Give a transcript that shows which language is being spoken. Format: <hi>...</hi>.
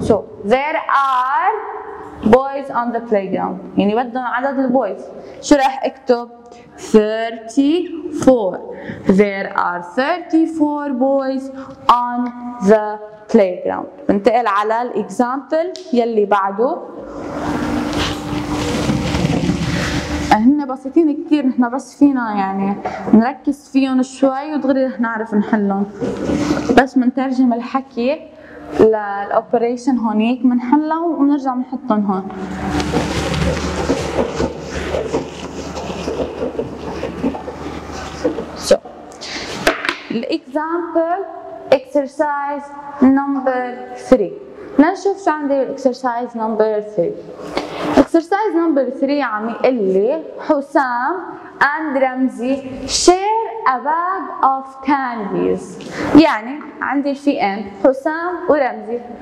<en>so there are boys on the playground،</en> <ar>يعني بدهم عدد البويز. شو راح اكتب؟ 34.</ar> <en>There are 34 boys on the playground.</en> <ar>بنتقل على الاكزامبل يلي بعده. هن بسيطين كثير، نحن بس فينا يعني نركز فيهم شوي ودغري رح نعرف نحلهم. بس منترجم الحكي للاوبريشن هونيك منحلها ونرجع نحطهم هون.</ar> <en>So example exercise number 3،</en> <ar>لنشوف شو عندي</ar> <en>exercise number 3. exercise number 3</en> <ar>عم يقول لي حسام اند رمزي</ar> <en>share a bag of candies,</en> <ar>يعني عندي الفئين حسام ورمزي.</ar>